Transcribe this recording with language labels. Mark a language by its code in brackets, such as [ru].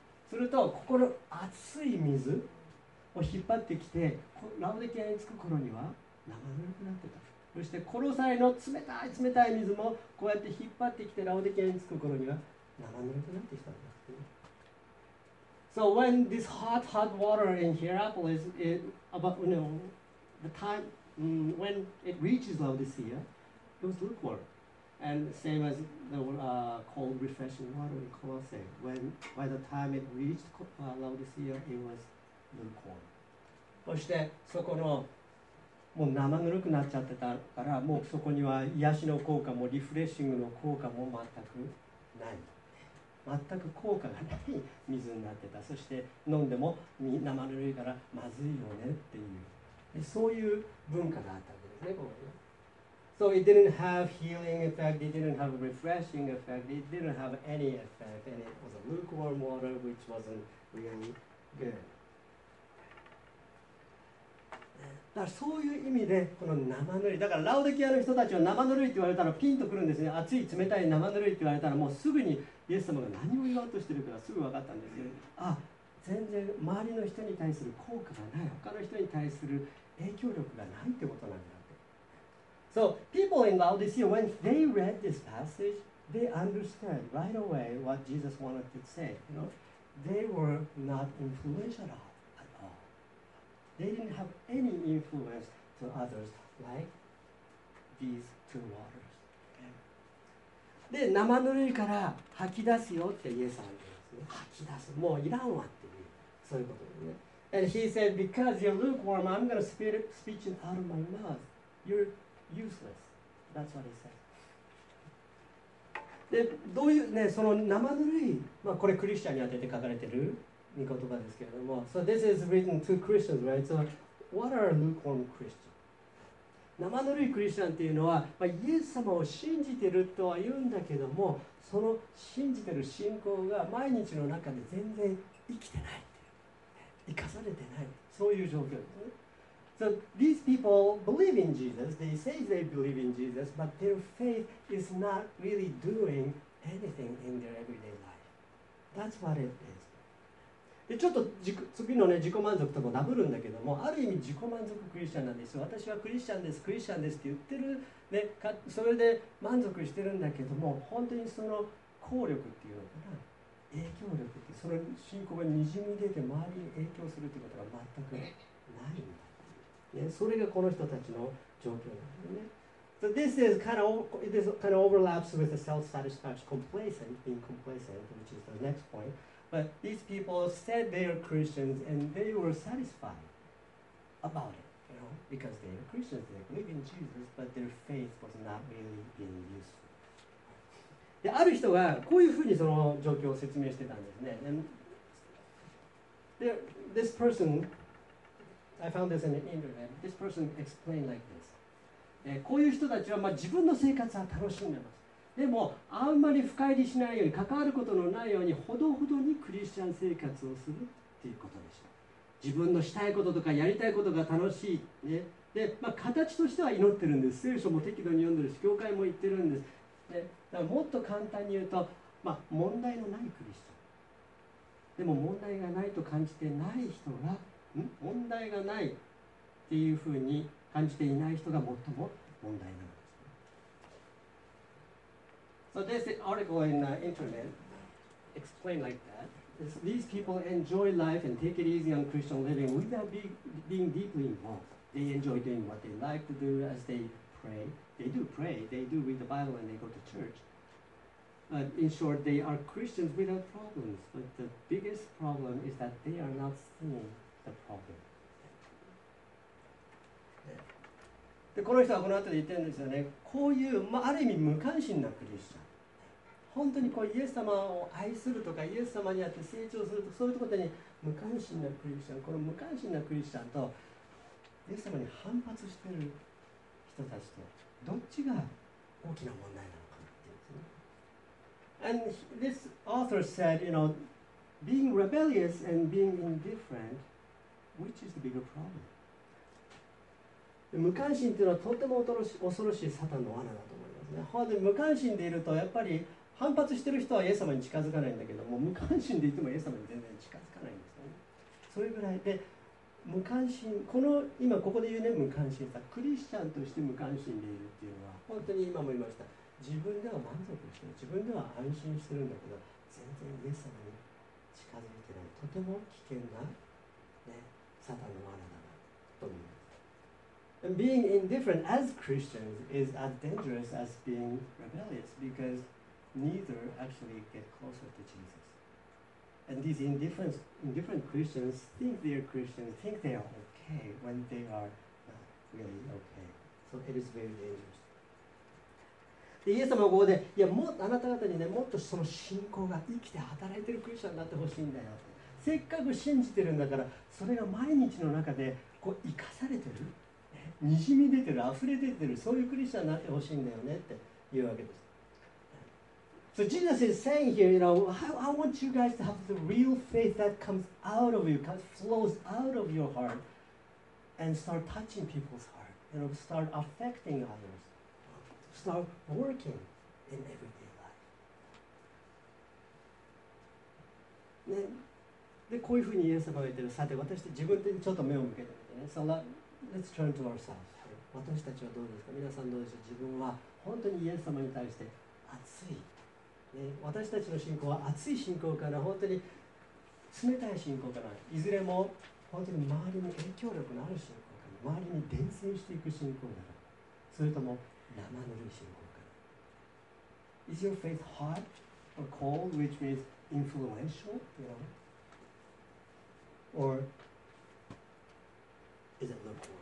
[ja] すると、ここの熱い水を引っ張ってきて、ラオデキアに着く頃には生ぬるくなってた。そしてコロサイの冷たい冷たい水もこうやって引っ張ってきてラオデキアに着く頃には生ぬるくなってきたんです。 [en] So when this hot hot water in Hierapolis it about you know the time when it reaches Laodicea it was lukewarm and same as the cold refreshing water in Colossae when by the time it reached Laodicea it was lukewarm. [ja] そしてそこのもう生ぬるくなっちゃってたからもうそこには癒しの効果もリフレッシングの効果も全くない全く効果がない水になってたそして飲んでも生ぬるいからまずいよねっていうそういう文化があったわけですねここ [en] So it didn't have healing effect it didn't have refreshing effect it didn't have any effect and it was a lukewarm water which wasn't really good [ja] だからそういう意味でこの生ぬるいだからラオデキアの人たちは生ぬるいって言われたらピンとくるんですね熱い冷たい生ぬるいって言われたらもうすぐにイエス様が何を言おうとしてるかすぐ分かったんですよあ全然周りの人に対する効果がない他の人に対する影響力がないってことなんだって [en] So people in Laodicea when they read this passage they understood right away what Jesus wanted to say you know they were not influential atThey didn't have any influence to others like these two waters. [ja] で、生ぬるいから吐き出すよってイエスさんが言うんですね。吐き出す。もういらんわっていう。そういうことですね。 [en] And he said, because you're lukewarm, I'm going to spit it, speech it out of my mouth. You're useless. That's what he said. [ja] で、どういうね、その生ぬるい、まあこれクリスチャンに当てて書かれてる。御言葉ですけれども [en] So this is written to Christians, right? So what are lukewarm Christians? [ja] 生ぬるいクリスチャンっていうのは、まあ、イエス様を信じてるとは言うんだけどもその信じてる信仰が毎日の中で全然生きてないっていう生かされてないそういう状況ですね [en] So these people believe in Jesus They say they believe in Jesus But their faith is not really doing anything in their everyday life That's what it is [ja] でちょっと次の、ね、自己満足ともダブるんだけどもある意味自己満足クリスチャンなんです私はクリスチャンですクリスチャンですって言ってる、ね、それで満足してるんだけども本当にその効力っていうのかな影響力ってその信仰がにじみ出て周りに影響するってことが全くないんだ、ね、それがこの人たちの状況なんですね [en] So this is kind of, kind of overlaps with the self-satisfaction complacent being complacent which is the next pointBut these people said they are Christians and they were satisfied about it, you know, because they are Christians, they believe in Jesus, but their faith was not really being useful. [ja] で、ある人がこういうふうにその状況を説明してたんですね。 [en] And this person, I found this on the internet, this person explained like this. [ja] で、こういう人たちはまあ自分の生活は楽しんでます。でもあんまり深入りしないように関わることのないようにほどほどにクリスチャン生活をするっていうことでしょう自分のしたいこととかやりたいことが楽しい、ねでまあ、形としては祈ってるんです聖書も適度に読んでるし教会も行ってるんですでだからもっと簡単に言うと、まあ、問題のないクリスチャンでも問題がないと感じてない人がん問題がないっていうふうに感じていない人が最も問題なの [en] So this article in the internet explained like that. These people enjoy life and take it easy on Christian living without being deeply involved. They enjoy doing what they like to do as they pray. They do pray, they do read the Bible and they go to church. But in short, they are Christians without problems. But the biggest problem is that they are not seeing the problem. [ja] で、この人はこの後で言ってるんですよね。こういう、まあ、ある意味無関心なクリスチャン、本当にこうイエス様を愛するとかイエス様にあって成長するとか、そういうことに無関心なクリスチャン、この無関心なクリスチャンとイエス様に反発してる人たちと、どっちが大きな問題なのかっていうんですね。 [en] And this author said, you know, being rebellious and being indifferent, which is the bigger problem? [ja] 無関心っていうのはとても恐ろしいサタンの罠だと思いますね。本当に無関心でいるとやっぱり反発している人はイエス様に近づかないんだけど、もう無関心でいてもイエス様に全然近づかないんですよね。それぐらいで無関心、この今ここで言うね、無関心さ、クリスチャンとして無関心でいるっていうのは、本当に今も言いました、自分では満足してる、自分では安心してるんだけど、全然イエス様に近づいてない、とても危険な、ね、サタンの罠だなと思います。 [en] And being indifferent as Christians is as dangerous as being rebellious, becauseNeither actually get closer to Jesus. And these indifferent Christians think they are Christians, think they are okay when they are not really okay. So it is very dangerous. [ja] イエス様はここで、いや、もっとあなた方にね、もっとその信仰が生きて働いてるクリスチャンになってほしいんだよ。せっかく信じてるんだから、それが毎日の中でこう生かされてる、にじみ出てる、溢れ出てる、そういうクリスチャンになってほしいんだよねっていうわけです。 [en] So Jesus is saying here, you know, I want you guys to have the real faith that comes out of you, flows out of your heart, and start touching people's heart, you know, start affecting others, start working in everyday life. [ja] で、こういうふうにイエス様が言ってる。さて、私たち自分でちょっと目を向けてみてね。 [en] So let's turn to ourselves. [ja] 私たちはどうですか？皆さんどうでしょう？自分は本当にイエス様に対して熱い。ね、私たちの信仰は熱い信仰から本当に冷たい信仰から、いずれも本当に周りに影響力のある信仰から、周りに伝染していく信仰から、それとも生ぬるい信仰から。 [en] Is your faith hot or cold, which means influential, you know, or is it lukewarm?